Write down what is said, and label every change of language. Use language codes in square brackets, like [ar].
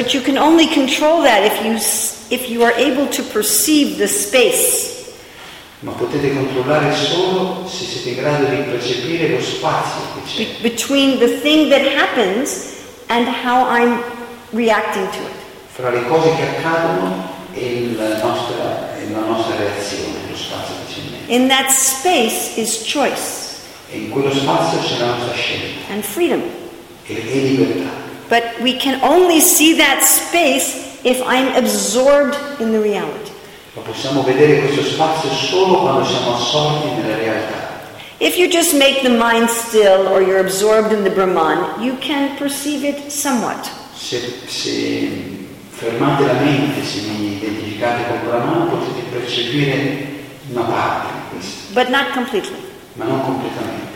[en] But you can only control that if you are able to perceive the space. [it] Ma potete controllare solo se siete in grado di percepire lo spazio che c'è. [en] Between the thing that happens and how I'm reacting to it. [it] Fra le cose che accadono e la nostra reazione, lo spazio che c'è. [en] In that space is choice. [it] E in quello spazio c'è la nostra scelta. [en] And freedom. [it] E libertà. [en] But we can only see that space if I'm absorbed in the reality. [it] Ma possiamo vedere questo spazio solo quando siamo assorti nella realtà. [en] If you just make the mind still or you're absorbed in the Brahman, you can perceive it somewhat. [it] Se fermate la mente, se vi identificate con Brahman, potete percepire una parte di questo. [en] But not completely. [it] Ma non completamente.